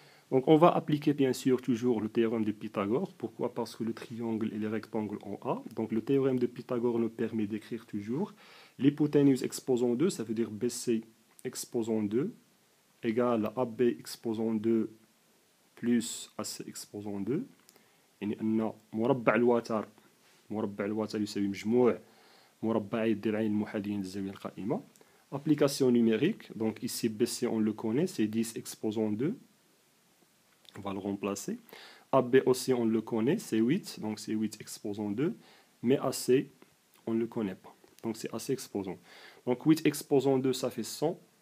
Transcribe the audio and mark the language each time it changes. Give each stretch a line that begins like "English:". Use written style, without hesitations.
French: Donc on va appliquer bien sûr toujours le théorème de Pythagore. Pourquoi? Parce que le triangle et le rectangle en A. Donc le théorème de Pythagore nous permet d'écrire toujours l'hypoténuse exposant 2, ça veut dire BC exposant 2, égale AB exposant 2 plus AC exposant 2.
Arabic: يعني أن مربع الوتر مربع الوتر يساوي مجموع مربعي الضلعين الموحدين للزاوية القائمة.
French: Application numérique. Donc ici BC on le connaît, c'est 10 exposant 2. On va le remplacer. AB aussi on le connaît, c'est 8. Donc c'est 8 exposant 2. Mais AC on ne le connaît pas. Donc c'est AC exposant. Donc 8 exposant 2 ça fait 100.